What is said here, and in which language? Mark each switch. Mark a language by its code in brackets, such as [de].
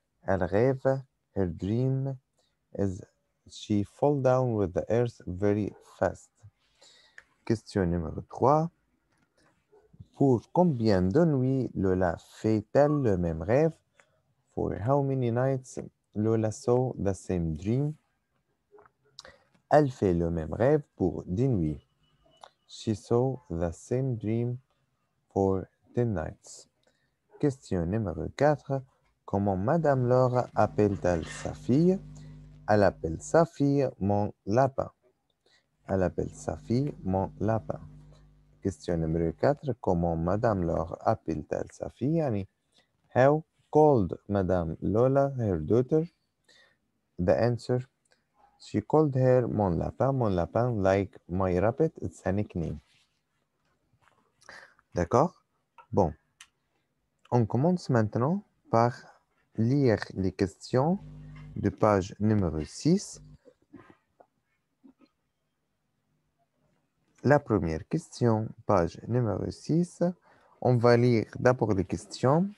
[fr] Elle rêve, [en] her dream is she fall down with the earth very fast. [fr] Question numéro 3. Pour combien de nuits Lola fait-elle le même rêve? [en] For how many nights Lola saw the same dream? [fr] Elle fait le même rêve pour 10 nuits. [en] She saw the same dream for 10 nights. [fr] Question numéro 4. Comment Madame Laure appelle-t-elle sa fille? Elle appelle sa fille mon lapin. Elle appelle sa fille mon lapin. Question numéro 4. Comment Madame Laure appelle-t-elle sa fille, Annie? [en] How called Madame Lola her daughter? The answer. She called her mon lapin. Mon lapin, like my rabbit, it's a nickname. [fr] D'accord? Bon. On commence maintenant par lire les questions de page numéro 6. La première question, page numéro 6. On va lire d'abord les questions.